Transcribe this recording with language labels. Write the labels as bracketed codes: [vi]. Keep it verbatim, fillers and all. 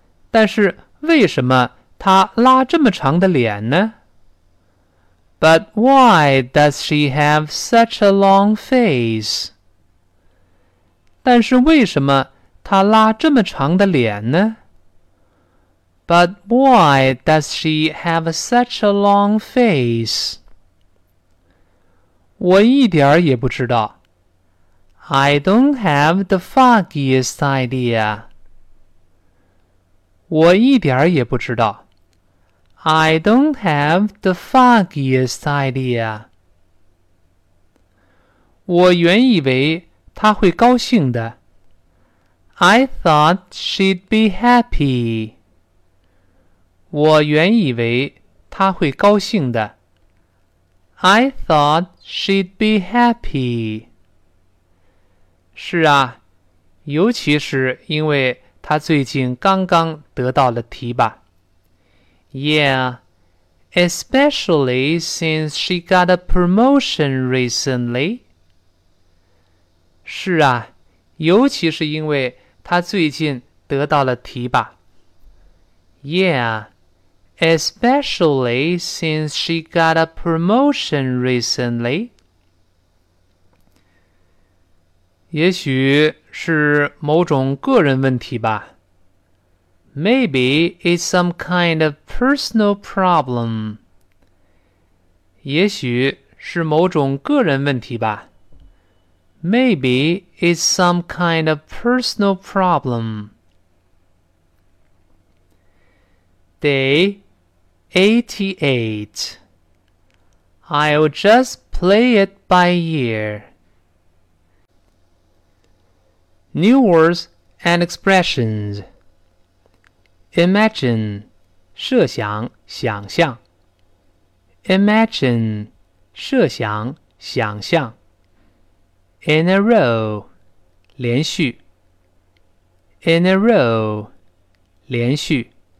[zh] 但是为什么她拉这么长的脸呢？ [en] But why does she have such a long face? [zh] 但是为什么她拉这么长的脸呢？ [en] But why does she have such a long face? [zh] 我一点儿也不知道。 [en] I don't have the foggiest idea. [zh] 我一点儿也不知道。 [en] I don't have the foggiest idea. [zh] 我原以为她会高兴的。 [en] I thought she'd be happy. [zh] 我原以为她会高兴的。 [en] I thought she'd be happy. [zh] 是啊，尤其是因为她最近刚刚得到了提拔。 [en] Yeah, especially since she got a promotion recently. [zh] 是啊，尤其是因为她最近得到了提拔。 [en] Yeah. Especially since she got a promotion recently. [zh] 也许是某种个人问题吧。 [en] Maybe it's some kind of personal problem. [zh] 也许是某种个人问题吧。 [en] Maybe it's some kind of personal problem. Day eighty-eight. I'll just play it by ear. New words and expressions. Imagine, [zh] 设想，想象。 [en] Imagine, [zh] 设想，想象。 [en] In a row, [zh] 连续。 [en] In a row, 连续。